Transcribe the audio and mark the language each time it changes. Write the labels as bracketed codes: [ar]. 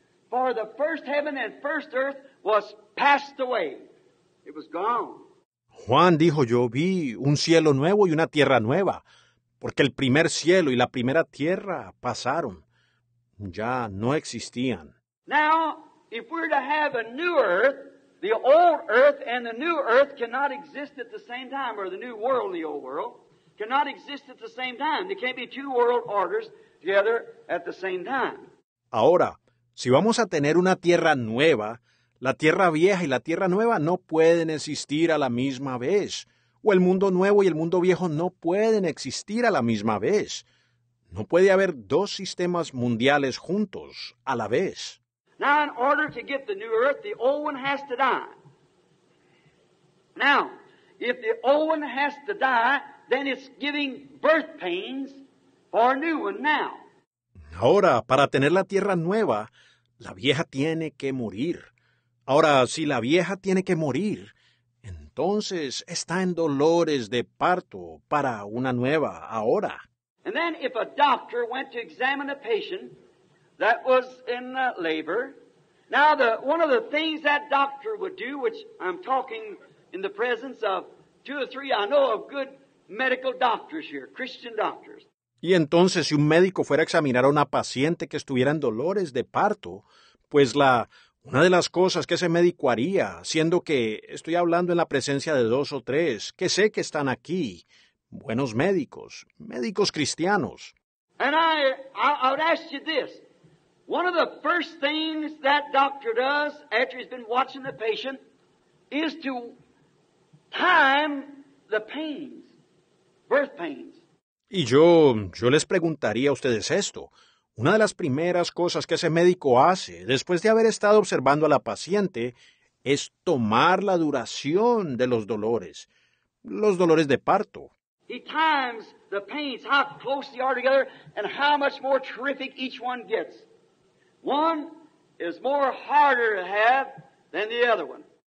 [en] For the first heaven and first earth was passed away. It was gone. [es] Juan dijo, yo vi un cielo nuevo y una tierra nueva, porque el primer cielo y la primera tierra pasaron. Ya no existían. [en] Now, if we're to have a new earth, the old earth and the new earth cannot exist at the same time, or the new world and the old world cannot exist at the same time. There can't be two world orders together at the same time. [es] Ahora, si vamos a tener una tierra nueva, la tierra vieja y la tierra nueva no pueden existir a la misma vez. O el mundo nuevo y el mundo viejo no pueden existir a la misma vez. No puede haber dos sistemas mundiales juntos a la vez. [en] Now, in order to get the new earth, the old one has to die. Now, if the old one has to die, then it's giving birth pains for a new one now. [es] Ahora, para tener la tierra nueva, la vieja tiene que morir. Ahora, si la vieja tiene que morir, entonces está en dolores de parto para una nueva ahora. [en] And then if a doctor went to examine a patient that was in labor. Now, one of the things that doctor would do, which I'm talking in the presence of two or three, I know of good medical doctors here, Christian doctors. [es] Y entonces, si un médico fuera a examinar a una paciente que estuviera en dolores de parto, pues una de las cosas que ese médico haría, siendo que estoy hablando en la presencia de dos o tres, que sé que están aquí, buenos médicos, médicos cristianos. [en] And I would ask you this. One of the first things that doctor does after he's been watching the patient is to time the pains, birth pains. [es] Y yo les preguntaría a ustedes esto. Una de las primeras cosas que ese médico hace después de haber estado observando a la paciente es tomar la duración de los dolores de parto. [en] He times the pains, how close they are together and how much more terrific each one gets. One is more harder to have than the other one.